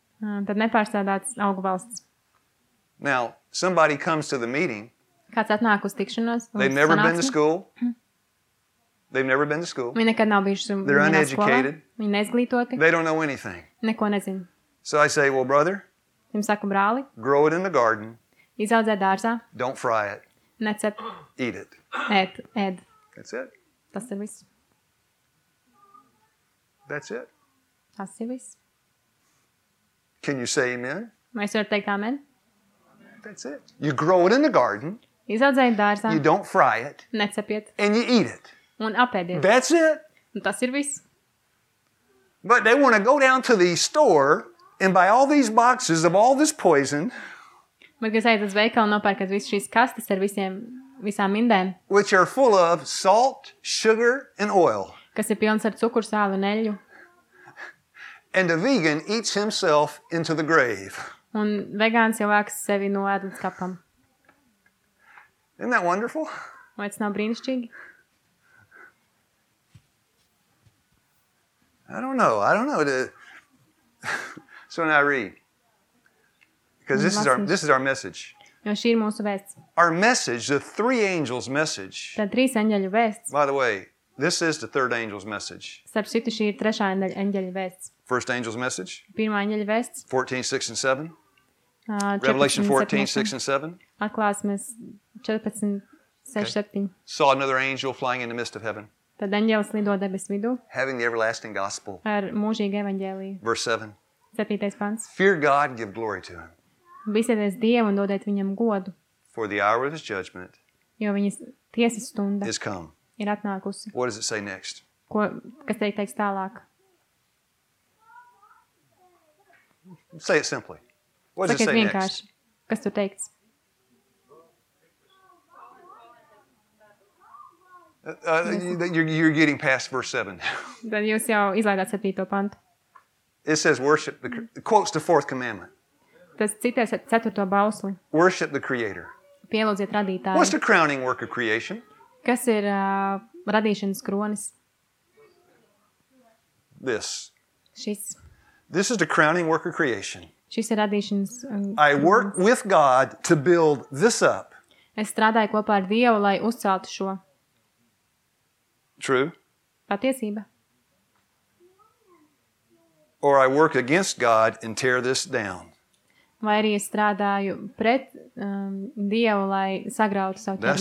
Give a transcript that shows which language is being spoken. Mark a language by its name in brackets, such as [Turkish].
[Latvian] Tad nepārsēdāts augu valsts. [English] Now, somebody comes to the meeting. [Latvian] Kāds atnāk uz tikšanos? [English] They've never been to school. They've never been to school. [Latvian] Viņi nekad nav bijuši skolā. [English] They're uneducated. [Latvian] Viņi neizglītoti. [English] They don't know anything. [Latvian] Neko nezinu. [English] So I say, well, brother. [Latvian] Jums saku, brāli. [English] Grow it in the garden. [Latvian] Izaudzē dārzā. [English] Don't fry it. [Latvian] Necep. [English] Eat it. [Latvian] Ed. [English] That's it. [Latvian] Tas ir viss. [English] That's it. [Latvian] Tas ir viss. [English] Can you say amen? [Latvian] Vai es varu teikt amen? [English] That's it. You grow it in the garden. [Latvian] Izaudzē dārzā. [English] You don't fry it. [Latvian] Necepiet. [English] And you eat it. [Latvian] Un apēdiet. [English] That's it. [Latvian] Un tas ir viss. [English] But they want to go down to the store and buy all these boxes of all this poison. [Latvian] Bet, kas aiziet uz veikalu nopērkat visu šīs kastes ar visām indēm. [English] Which are full of salt, sugar and oil. [Latvian] Kas ir pilns ar cukuru, sāli un eļļu. [English] And a vegan eats himself into the grave. [Latvian] Un vegāns cilvēks sevi noēd uz kapam. [English] Isn't that wonderful? [Latvian] Vai tas nav brīnišķīgi? [English] I don't know. So now read. Because this is our message. [Latvian] Jo šī ir mūsu vēsts. [English] Our message, the three angels' message. [Latvian] Tad trīs eņģeļu vēsts. [English] By the way, this is the third angel's message. [Latvian] Starp citu, šī ir trešā eņģeļa vēsts. [English] First angel's message. [Latvian] Pirmā eņģeļa vēsts. [English] 14:6-7. Revelation 14:6-7. [Latvian] Atklāsmes 14, 6-7. [English] Okay. Saw another angel flying in the midst of heaven. [Latvian] Tad anjels lido debes vidu. [English] Having the everlasting gospel. [Latvian] Ar mūžīgu evaņģēliju. [English] Verse 7. [Latvian] 7. pants. [English] Fear God, give glory to him. [Latvian] Bīsties Dievu un dodiet viņam godu. [English] For the hour of his judgment. [Latvian] Jo viņas tiesas stunda. [English] Is come. [Latvian] Ir atnākusi. [English] What does it say next? [Latvian] Ko, kas teiks tālāk? [English] Say it simply. What does it say [Latvian] vienkārši. [English] Next? [Latvian] Kas tur teikts? [English] You're getting past verse 7. [Latvian] Then jūs jau izlaidāt 7. pantu. [English] It says worship the quotes the fourth commandment. [Latvian] Tas citē 4. bausli. [English] Worship the creator. [Latvian] Pielūdziet radītāju. [English] What's the crowning work of creation? [Latvian] Kas ir radīšanas kronis? [English] This. [Latvian] Šis. [English] This is the crowning work of creation. [Latvian] Šis ir radīšanas. [English] I work with God to build this up. [Latvian] Es strādāju kopā ar Dievu, lai uzceltu šo. [English] True. [Latvian] Patiesība. [English] Or I work against God and tear this down. [Latvian] Vai arī es strādāju pret Dievu, lai sagrautu savu ķermeni.